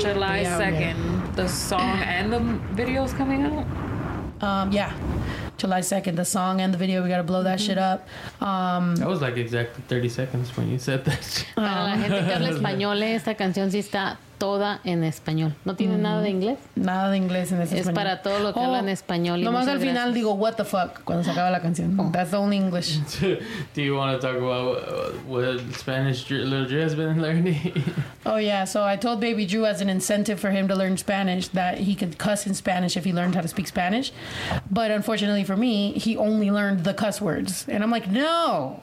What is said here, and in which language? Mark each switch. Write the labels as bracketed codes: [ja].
[en] July 2nd, the song and the video is coming out? July 2nd, the song and the video. We got to blow that shit up. That was like exactly 30 seconds when you said that shit. [es] Para la gente que habla español, esta canción sí está toda en español. ¿No tiene nada de inglés? Nada de inglés en ese es español. Es para todo lo que habla en español. Nomás al final gracias. Digo, [en] what the fuck, [es] cuando se acaba la canción. [en] Oh. That's the only English. Do you want to talk about what Spanish Little Drew has been learning? Oh, yeah. So I told Baby Drew as an incentive for him to learn Spanish that he could cuss in Spanish if he learned how to speak Spanish. But unfortunately for me, he only learned the cuss words. And I'm like, no.